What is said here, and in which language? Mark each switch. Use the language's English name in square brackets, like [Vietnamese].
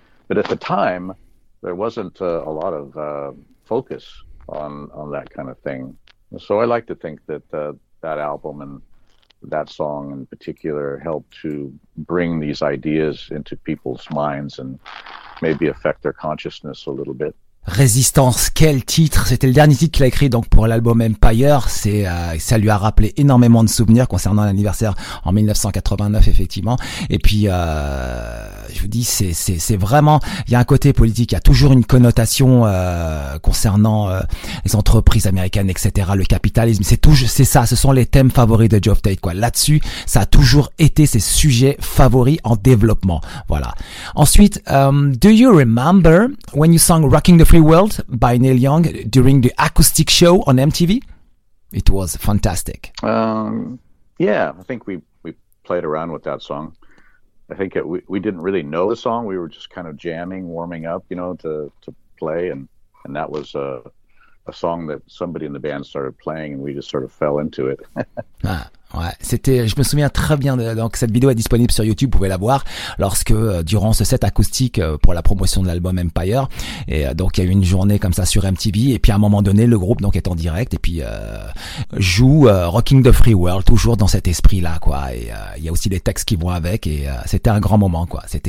[English] But at the time, there wasn't a lot of focus on that kind of thing. So I like to think that that album and that song in particular helped to bring these ideas into people's minds and maybe affect their consciousness a little bit. [French] Résistance, quel titre! C'était le dernier titre qu'il a écrit donc pour l'album Empire. C'est ça lui a rappelé énormément de souvenirs concernant l'anniversaire en 1989 effectivement. Et puis je vous dis c'est vraiment, il y a un côté politique, il y a toujours une connotation concernant les entreprises américaines, etc. Le capitalisme, c'est ça. Ce sont les thèmes favoris de Geoff Tate quoi. Là-dessus, ça a toujours été ses sujets favoris en développement. Voilà. Ensuite, [English] do you remember when you sang Rocking the Free World by Neil Young during the acoustic show on MTV? It was fantastic. I think we played around with that song. I think we didn't really know the song. We were just kind of jamming, warming up, you know, to play, and that was a song that somebody in the band started playing, and we just sort of fell into it. Ah. [French] Ouais, c'était, je me souviens très bien, donc cette vidéo est disponible sur YouTube, vous pouvez la voir, lorsque, durant ce set acoustique pour la promotion de l'album Empire, et donc il y a eu une journée comme ça sur MTV, et puis à un moment donné, le groupe donc est en direct, et puis joue Rocking the Free World, toujours dans cet esprit-là, quoi, et il y a aussi des textes qui vont avec, et c'était un grand moment, quoi.